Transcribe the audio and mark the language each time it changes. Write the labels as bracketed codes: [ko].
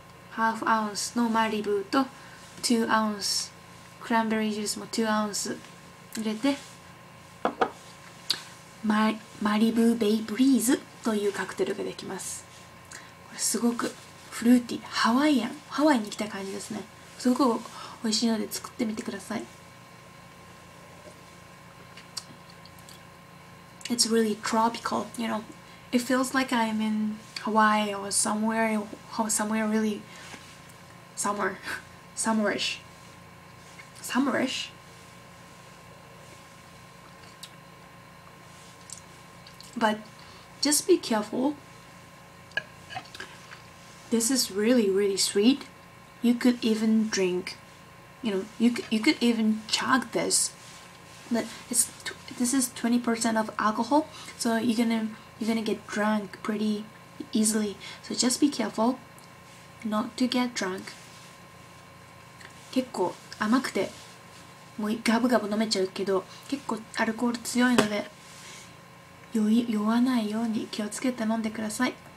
[ja] ハーフアウンスのマリブーと2 ounce クランベリージュースも2 ounce 入れて、マリブーベイブリーズというカクテルができます。これすごくフルーティー、ハワイアン、ハワイに来た感じですね。すごく美味しいので作ってみてください。 [en] It's really tropical, you know, it feels like I'm in Hawaii or somewhere really somewhere. Summerish. summerish. But just be careful. This is really, really sweet. You could even drink, you know, you could even chug this. This is 20% of alcohol, so you're gonna get drunk pretty easily. So just be careful not to get drunk. [ja] 結構甘くて、もうガブガブ飲めちゃうけど、結構アルコール強いので、酔わないように気をつけて飲んでください。